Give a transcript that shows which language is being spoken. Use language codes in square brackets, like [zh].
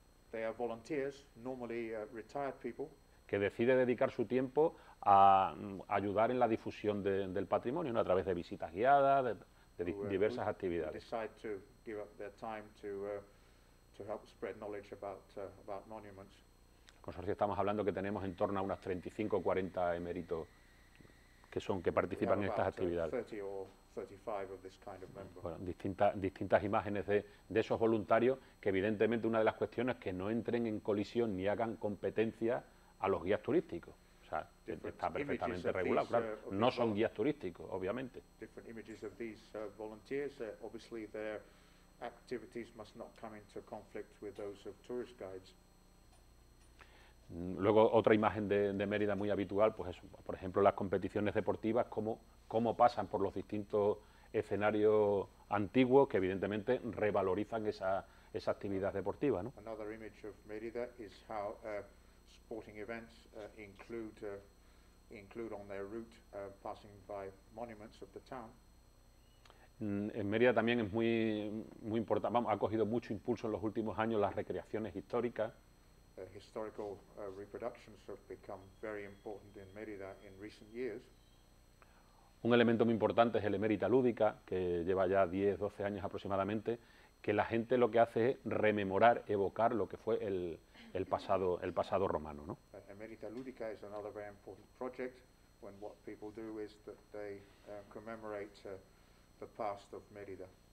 [en] They are volunteers, normally retired people. [es] Que decide dedicar su tiempo a ayudar en la difusión del patrimonio, ¿no? A través de visitas guiadas, diversas actividades. [en] Decide to give up their time to help spread knowledge about monuments. [es] Consorcio, estamos hablando que tenemos en torno a unas 35 o 40 eméritos que participan en estas actividades. [en] 30 or 35 of this kind of member. [es] Bueno, distintas imágenes de esos voluntarios, que evidentemente una de las cuestiones es que no entren en colisión ni hagan competencia a los guías turísticos. O sea, está perfectamente regulado, claro. No son guías turísticos, obviamente. [en] Different images of these volunteers, obviously their activities must not come into conflict with those of tourist guides. [es] Luego, otra imagen de Mérida muy habitual, pues eso, por ejemplo, las competiciones deportivas, cómo pasan por los distintos escenarios antiguos que evidentemente revalorizan esa actividad deportiva, ¿no? [en] Another image of Mérida is how sporting events include on their route passing by monuments of the town. [es] En Mérida también es muy, muy importante, ha cogido mucho impulso en los últimos años las recreaciones históricas. [en] Historical reproductions have become very important in Mérida in recent years. [es] Un elemento muy importante es el Emérita Lúdica, que lleva ya 10, 12 años aproximadamente, que la gente lo que hace es rememorar, evocar lo que fue el pasado romano, ¿no? [en] Emérita Lúdica is another very important project, when what people do is that they commemorate the past of Mérida.